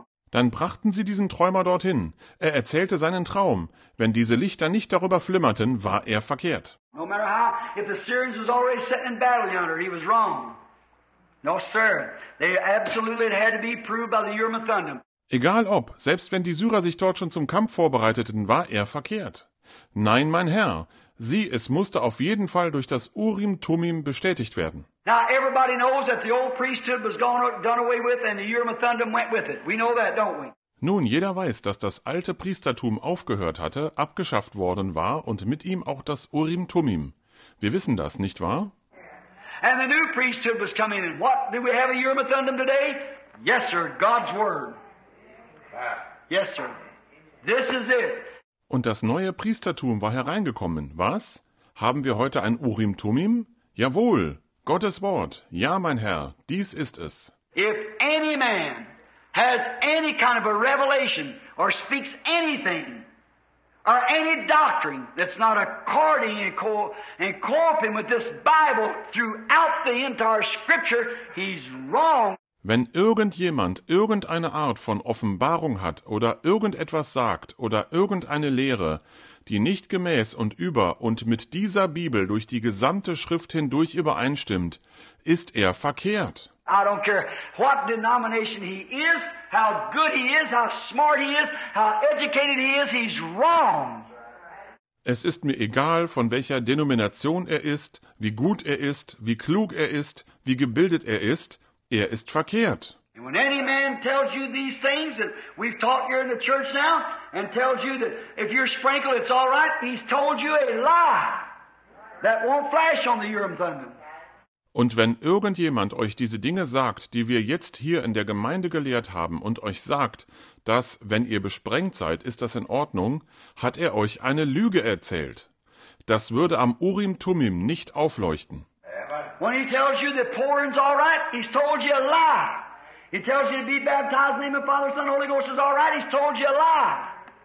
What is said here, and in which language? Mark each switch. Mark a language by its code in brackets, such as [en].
[de] Dann brachten sie diesen Träumer dorthin. Er erzählte seinen Traum. Wenn diese Lichter nicht darüber flimmerten, war er verkehrt. [en] No matter how, if the Syrians was already sitting in battle yonder, he was wrong. No, sir. They absolutely had to be proved by the Urim and Thummim. [de] Egal ob, selbst wenn die Syrer sich dort schon zum Kampf vorbereiteten, war er verkehrt. Nein, mein Herr, sieh, es musste auf jeden Fall durch das Urim Thummim bestätigt werden. [en] Now everybody knows that the old priesthood was done away with and the Urim and Thummim went with it. We know that, don't we? [de] Nun, jeder weiß, dass das alte Priestertum aufgehört hatte, abgeschafft worden war und mit ihm auch das Urim Thummim. Wir wissen das, nicht wahr? [en] And the new priesthood was coming in. What, do we have a Urim and Thummim today? Yes, sir, God's word. Yes, sir. This is it. [de] Und das neue Priestertum war hereingekommen. Was? Haben wir heute ein Urim Thummim? Jawohl, Gottes Wort. Ja, mein Herr, dies ist es. [en] If any man has any kind of a revelation or speaks anything or any doctrine that's not according and cooperating with this Bible throughout the entire scripture, he's wrong. [de] Wenn irgendjemand irgendeine Art von Offenbarung hat oder irgendetwas sagt oder irgendeine Lehre, die nicht gemäß und über und mit dieser Bibel durch die gesamte Schrift hindurch übereinstimmt, ist er verkehrt. [en] I don't care what denomination he is, how good he is, how smart he is, how educated he is, he's wrong. [de] Es ist mir egal, von welcher Denomination er ist, wie gut er ist, wie klug er ist, wie gebildet er ist, er ist verkehrt. [en] And when any man tells you these things that we've taught here in the church now and tells you that if you're sprinkled it's all right, he's told you a lie that won't flash on the Urim Thummim. [de] Und wenn irgendjemand euch diese Dinge sagt, die wir jetzt hier in der Gemeinde gelehrt haben, und euch sagt, dass, wenn ihr besprengt seid, ist das in Ordnung, hat er euch eine Lüge erzählt. Das würde am Urim Thummim nicht aufleuchten. [en] When he tells you that pouring's all right, he's told you a lie. He tells you to be baptized in the name of Father, Son, Holy Ghost is all right, he's told you a lie.